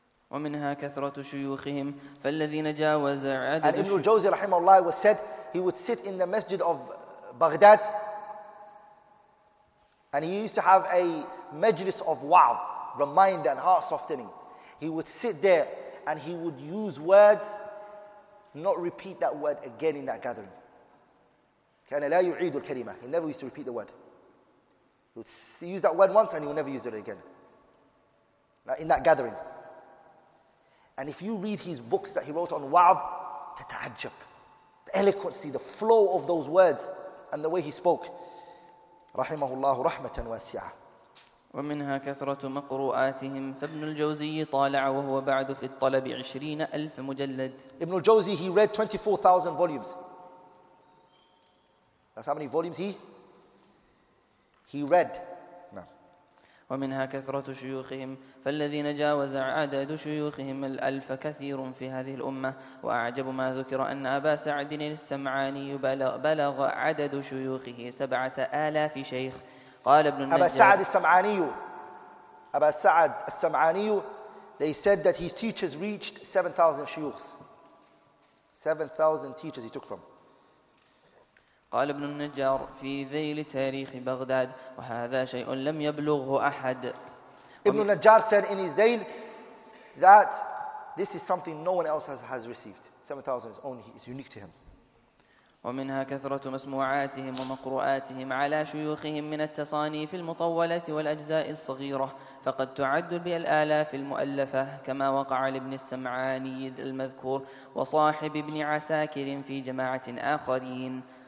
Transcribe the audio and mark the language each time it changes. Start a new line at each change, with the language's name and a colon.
Arabic: ومنها كثرة شيوخهم, فالذين جاوز عدد.
English: And Ibn al-Jawzi rahimahullah was said he would sit in the masjid of Baghdad and he used to have a majlis of wa'ad, reminder and heart softening. He would sit there and he would use words, not repeat that word again in that gathering.
Arabic: كان لا يعيد الكلمة.
English: He never used to repeat the word. He would use that word once and he would never use it again. نعم. in that gathering. And if you read his books that he wrote on wa'ab, tata'ajjab. The eloquency, the flow of those words and the way he spoke. Rahimahullah rahmatan wasi'ah.
Arabic: ومنها كثرة مقرؤاتهم فابن الجوزي طالع وهو بعد في الطلب 20,000 مجلد.
English: Ibn al-Jawzi, he read 24,000 volumes. That's how many volumes he read.
Arabic: ومنها كثرة شيوخهم فالذين جاوز عدد شيوخهم الألف كثير في هذه الأمة وأعجب ما ذكر أن أبا سعد السمعاني بلغ عدد شيوخه 7,000 شيخ. قال ابن النجار
English: أبا سعد السمعاني they said that his teachers reached 7,000 شيوخ 7,000 teachers he took from.
Arabic: قال ابن النجار في ذيل تاريخ بغداد وهذا شيء لم يبلغه أحد.
English: Ibn al-Najjar said in his ذيل that this is something no one else has received. 7,000 is only, it's unique to him.
Arabic: ومنها كثرة مسموعاتهم ومقرؤاتهم على شيوخهم من التصانيف المطولة والأجزاء الصغيرة فقد تعد بالآلاف المؤلفة كما وقع لابن السمعاني المذكور وصاحب ابن عساكر في جماعة آخرين.